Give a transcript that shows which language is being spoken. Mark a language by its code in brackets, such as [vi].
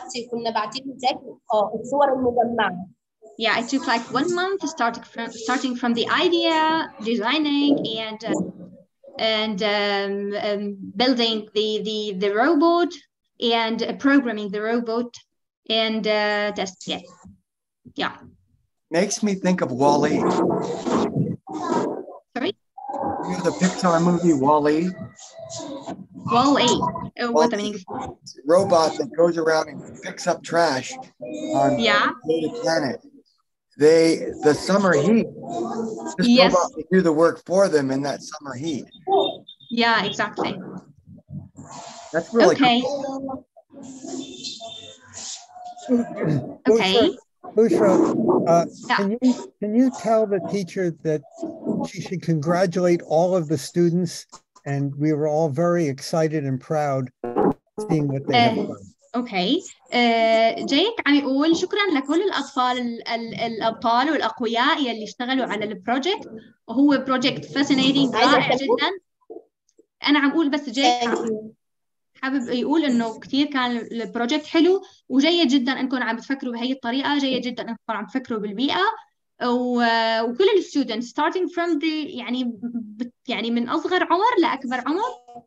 [ar] كنا بعتين لجاك الصور المجمعه. [en] Yeah, it took like 1 month starting from the idea, designing and building the robot and programming the robot. And test, yeah. Makes me think of WALL-E. Sorry? You know the Pixar movie WALL-E? WALL-E. What the meaning? Robot that goes around and picks up trash on the planet. They, the summer heat, this robot can do the work for them in that summer heat. Yeah, exactly. That's really okay. Cool. Okay. Bushra, can you tell the teacher that she should congratulate all of the students, and we were all very excited and proud seeing what they have done. Okay. [ar] جايك عم يقول شكرا لكل الأطفال الأبطال والأقوياء يلي اشتغلوا على البروجكت وهو بروجكت فاسينيتنج رائع جدا. أنا عم أقول بس جايك حابب يقول إنه كتير كان البروجكت حلو وجيد جدا أنكم عم تفكروا بهي الطريقة، جيد جدا أنكم عم تفكروا بالبيئة وكل الستودنت [en] starting from the [ar] يعني من أصغر عمر لأكبر عمر.